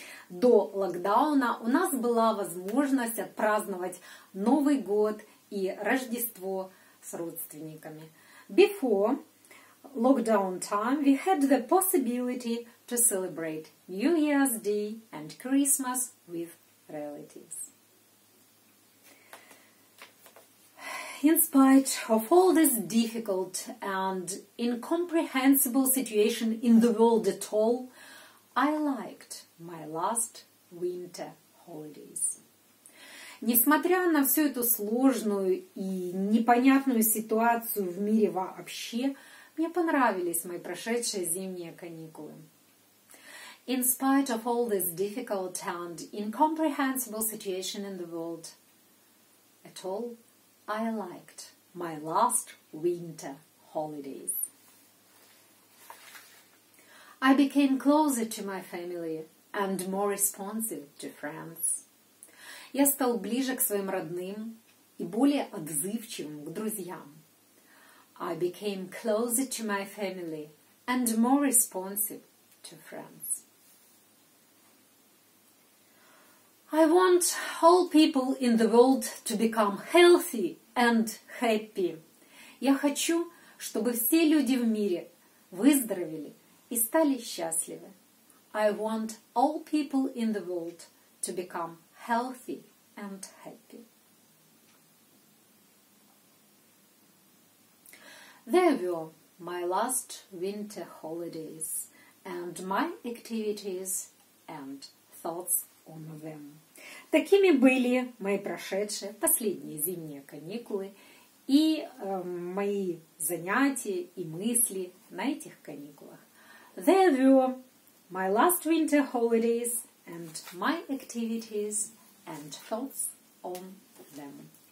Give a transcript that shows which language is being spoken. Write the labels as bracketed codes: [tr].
[ru] До локдауна у нас была возможность отпраздновать Новый год и Рождество с родственниками. [en] Before lockdown time, we had the possibility to celebrate New Year's Day and Christmas with relatives. In spite of all this difficult and incomprehensible situation in the world at all, I liked my last winter holidays. [ru] Несмотря на всю эту сложную и непонятную ситуацию в мире вообще, мне понравились мои прошедшие зимние каникулы. [en] In spite of all this difficult and incomprehensible situation in the world at all, I liked my last winter holidays. I became closer to my family and more responsive to friends. [ru] Я стал ближе к своим родным и более отзывчивым к друзьям. [en] I became closer to my family and more responsive to friends. I want all people in the world to become healthy and happy. [ru] Я хочу, чтобы все люди в мире выздоровели и стали счастливы. [en] I want all people in the world to become healthy and happy. There were my last winter holidays and my activities and thoughts on them. [ru] Такими были мои прошедшие последние зимние каникулы и мои занятия и мысли на этих каникулах. [en] There were my last winter holidays and my activities and thoughts on them.